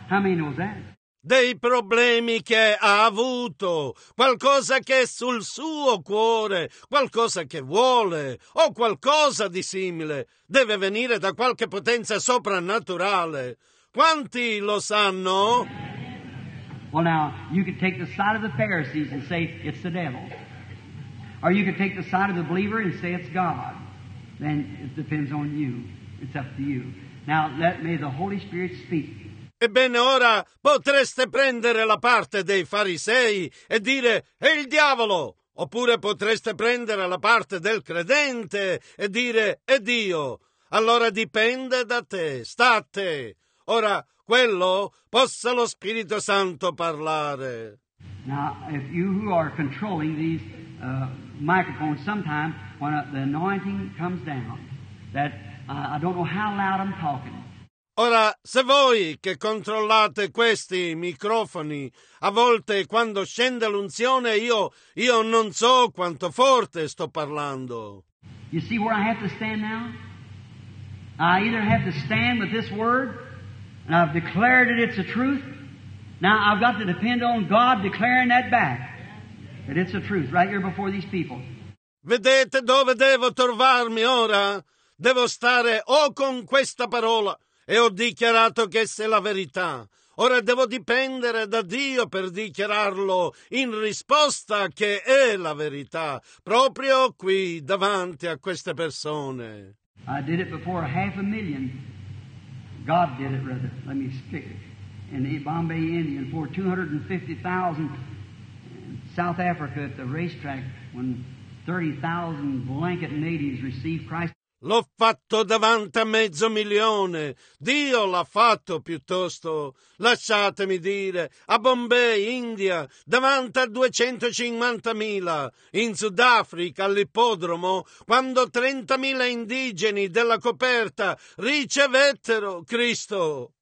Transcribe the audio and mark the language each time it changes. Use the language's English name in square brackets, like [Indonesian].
[English] How many knows that? [Italian] Dei problemi che ha avuto, qualcosa che è sul suo cuore, qualcosa che vuole, o qualcosa di simile, deve venire da qualche potenza soprannaturale. Quanti lo sanno? [English] Well now, you could take the side of the Pharisees and say it's the devil. Or you could take the side of the believer and say it's God. Then it depends on you. It's up to you. Now let may the Holy Spirit speak. [Italian] Ebbene, ora potreste prendere la parte dei farisei e dire è il diavolo, Oppure potreste prendere la parte del credente e dire: «E Dio, allora dipende da te, sta a te». Ora, quello possa lo Spirito Santo parlare. [English] Now, if you who are controlling these microphones, sometimes when the anointing comes down, that I don't know how loud I'm talking. [Italian] Ora, se voi che controllate questi microfoni, a volte quando scende l'unzione io non so quanto forte sto parlando. [English] You see where I have to stand now? I either have to stand with this word, and I've declared it's the truth. Now I've got to depend on God declaring that back, that it's the truth, right here before these people. [Italian] Vedete dove devo trovarmi ora? Devo stare o con questa parola. E ho dichiarato che essa è la verità. Ora devo dipendere da Dio per dichiararlo in risposta che è la verità, proprio qui davanti a queste persone. [English] I did it before half a million. God did it, rather. Let me speak it. In Bombay, India, before 250,000 in South Africa at the racetrack when 30,000 blanket natives received Christ. [Italian] L'ho fatto davanti a mezzo milione. Dio l'ha fatto piuttosto. Lasciatemi dire, a Bombay, India, davanti a 250,000, in Sudafrica, all'ippodromo, quando 30,000 indigeni della coperta ricevettero Cristo.